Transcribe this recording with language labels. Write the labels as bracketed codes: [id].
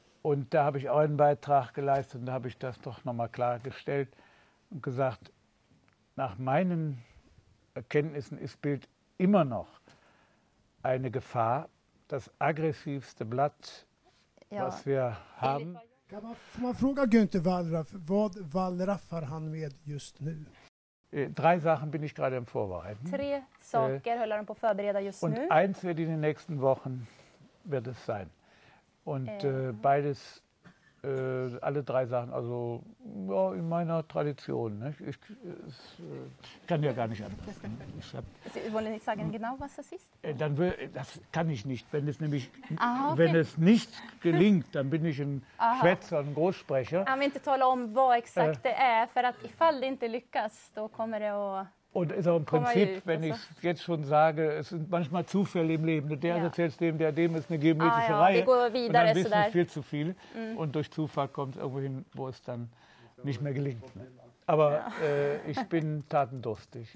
[de] Und da habe ich auch einen Beitrag geleistet und da habe ich das doch nochmal klargestellt und gesagt, nach meinen Erkenntnissen ist Bild immer noch eine Gefahr, das aggressivste Blatt, ja, was wir haben. Kann man fragen, Günter Wallraff, was Wallraff hat [sv] han med just nu? [de] 3 Sachen bin ich gerade im Vorbereiten. [sv] 3 Sachen höll han på förbereda just [de] und [sv] nu. [de] Und 1 wird in den nächsten Wochen wird es sein. Und beides, alle 3 Sachen, also ja, in meiner Tradition. Ne? Ich kann ja gar nicht anders. Ne? Ich hab, Sie wollen nicht sagen, genau was das ist? Das kann ich nicht. Wenn es nämlich, wenn es nicht gelingt, dann bin ich ein Schwätzer, ein Großsprecher. [sv] Jag vill inte tala om vad exakt det är, för att ifall det inte lyckas, då kommer det att... [de] Und ist auch im Prinzip, wenn ich jetzt schon sage, es sind manchmal Zufälle im Leben. Der erzählt dem, der dem ist eine geometrische Reihe. Und dann wissen wir viel zu viel. Und durch Zufall kommt es irgendwo hin, wo es dann nicht mehr gelingt. Aber ich bin tatendurstig.